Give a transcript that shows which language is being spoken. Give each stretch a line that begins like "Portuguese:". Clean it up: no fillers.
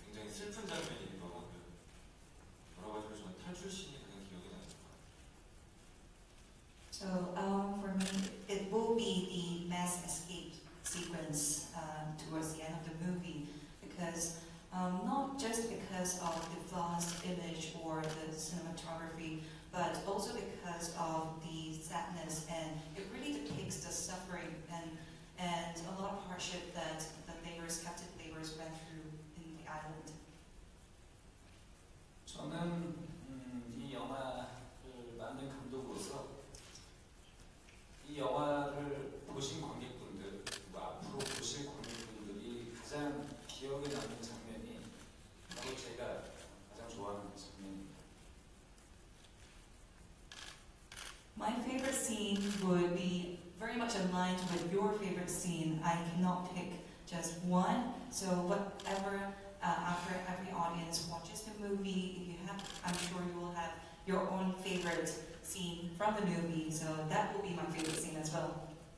Korean: 슬픈 장면이기도 하고 여러 가지로 저는 탈출 신이 그냥 기억이 나는 것 같아요.
English: So for me, it will be the mass escape sequence towards the end of the movie, because not just because of the flawless image or the cinematography, but also because of the sadness, and it really depicts the suffering and a lot of hardship that the neighbors, captive neighbors, went through in the island.
Korean: 저는 이 영화를 만든 감독으로서 이 영화를 보신 관객분들, 앞으로 보실 관객분들이 가장 기억에 남는 장면이 바로 제가 가장 좋아하는 장면입니다.
English: My favorite scene would be very much aligned with your favorite scene. I cannot pick just one, so whatever. After every audience watches the movie, if you have, I'm sure you will have your own favorite scene from the movie, so that will be my favorite scene as well.